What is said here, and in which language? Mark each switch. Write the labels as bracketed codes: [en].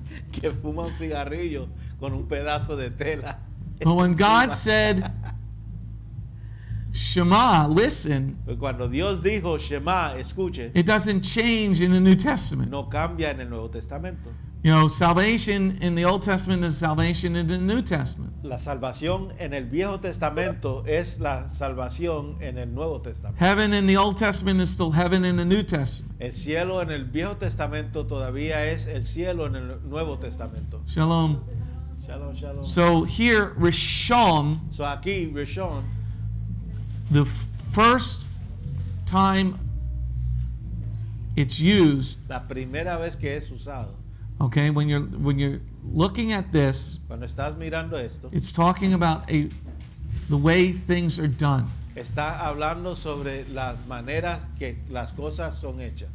[es] Que fuma un cigarrillo con un pedazo de tela. [en] But when God said, Shema, listen. [es] Cuando Dios dijo, Shema, escuche, [en] it doesn't change in the New Testament. [es] No cambia en el Nuevo Testamento. [en] You know, salvation in the Old Testament is salvation in the New Testament. [es] La salvación en el Viejo Testamento es la salvación en el Nuevo Testamento. [en] Heaven in the Old Testament is still heaven in the New Testament. [es] El cielo en el Viejo Testamento todavía es el cielo en el Nuevo Testamento. [he] Shalom. Shalom, shalom. [en] So here, Rishon. [es] So aquí, Rishon. [en] The first time it's used. [es] La primera vez que es usado. [en] Okay, when you're looking at this, [es] cuando estás mirando esto, [en] it's talking about the way things are done. [es] Está hablando sobre las maneras que las cosas son hechas.